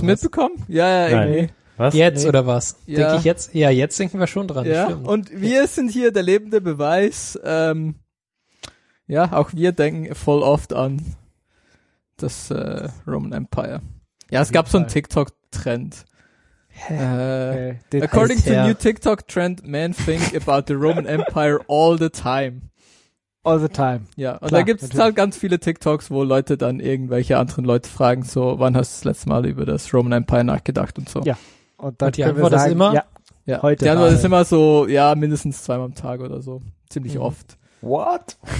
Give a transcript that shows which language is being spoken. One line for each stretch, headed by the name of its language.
German: Habt ihr das mitbekommen? Ja, ja, irgendwie. Nein. Was? Jetzt oder was? Ja. Denke ich jetzt? Ja, jetzt denken wir schon dran. Ja. Und wir sind hier der lebende Beweis. Ja, auch wir denken voll oft an das Roman Empire. Ja, es gab so einen TikTok-Trend. Okay.
English: According to new TikTok-Trend, men think about the Roman Empire all the time. All the time.
German: Ja, und klar, da gibt es halt ganz viele TikToks, wo Leute dann irgendwelche anderen Leute fragen, so, wann hast du das letzte Mal über das Roman Empire nachgedacht und so. Ja, und dann können wir sagen, das immer, ja, heute. Die Antwort ist immer so, ja, mindestens zweimal am Tag oder so, ziemlich oft.
English: What?